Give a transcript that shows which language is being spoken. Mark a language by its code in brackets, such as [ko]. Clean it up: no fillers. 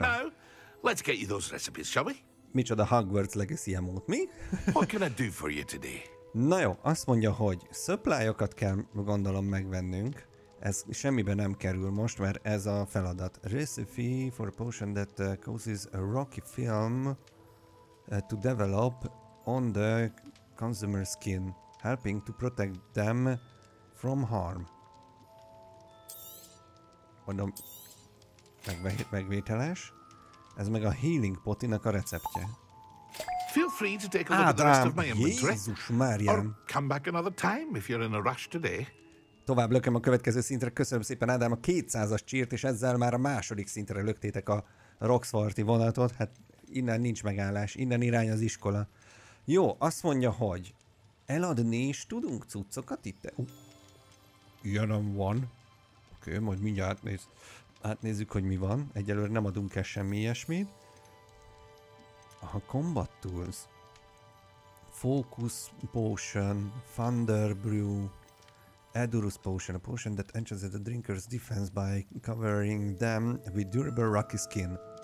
[en] But for now, let's get you those recipes, shall we? [hu] Micsoda Hogwarts Legacy emót, mi? [en] What can I do for you today? [hu] Na jó, azt mondja, hogy supply-okat kell gondolom megvennünk. Ez semmibe nem kerül most, mert ez a feladat. [en] Recipe for a potion that causes a rocky film to develop on the consumer skin, helping to protect them from harm. [hu] Mondom, megvételes. Ez meg a healing potinak a receptje. [en] Feel free to take a look at the rest of my inventory. [hu] Jézus Márján. [en] Or come back another time if you're in a rush today. [hu] Tovább lököm a következő szintre. Köszönöm szépen, Ádám, a 200-as csírt, és ezzel már a második szintre löktétek a Roxforti vonatot. Hát innen nincs megállás, innen irány az iskola. Jó, azt mondja, hogy eladni is tudunk cuccokat itt. Ilyenem van. Oké, okay, majd mindjárt átnézzük, hogy mi van. Egyelőre nem adunk el semmi ilyesmit. [en] A Combat Tools. Focus Potion, Thunder Brew, Edurus Potion, a potion that enhances the drinker's defense by covering them with durable rocky skin.